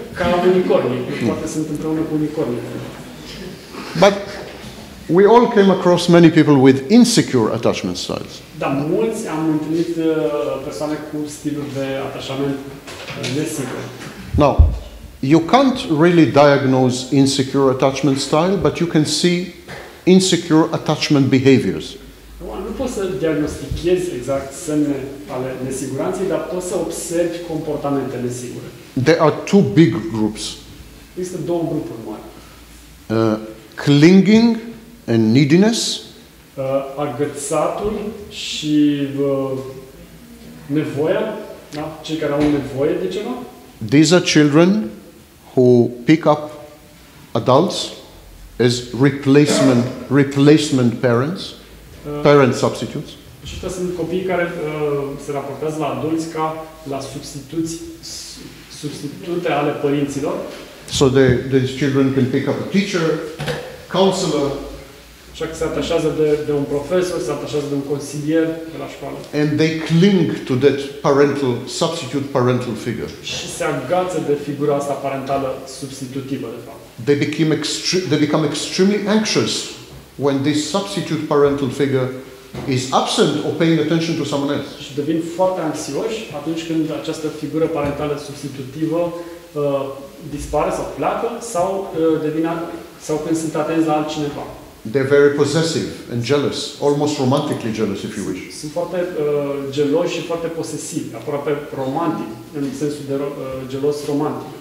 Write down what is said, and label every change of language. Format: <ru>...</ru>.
<ro>Ca unicorni, poate sunt împreună cu unicorni.</ro> <en>But we all came across many people with insecure attachment styles.</en> <ro>Da, mulți am întâlnit persoane cu stiluri de atașament nesigur.</ro> <en>Now, you can't really diagnose insecure attachment style, but you can see insecure attachment behaviors.</en> <ro>Nu poți să diagnostichezi exact semne ale nesiguranței, dar poți să observi comportamente nesigure.</ro> <en>There are two big groups.</en> <ro>Există două grupuri mari.</ro> <en>Clinging and neediness,</en> <ro>agățatul și nevoia, da? Cei care au nevoie de ceva.</ro> <en>These are children who pick up adults as replacement parents, parent substitutes.</en> <ro>Și ăsta sunt copii care se raportează la adulți ca la substituții, substitute ale părinților.</ro> <en>So these children can pick up a teacher, counselor.</en> <ro>Așa că se atașează de un profesor, se atașează de un consilier de la școală.</ro> <en>And they cling to that parental, substitute parental figure.</en> <ro>Și se agață de figura asta parentală substitutivă, de fapt.</ro> <en>They become extremely anxious when this substitute parental figure is absent or paying attention to someone else.</en> <ro>Și devin foarte anxioși atunci când această figură parentală substitutivă dispare sau pleacă sau sau când sunt atenți la altcineva.</ro> <en>They're very possessive and jealous, almost romantically jealous, if you wish.</en> <ro>Sunt foarte geloși și foarte posesivi, aproape romantic, în sensul de gelos romantic.</ro>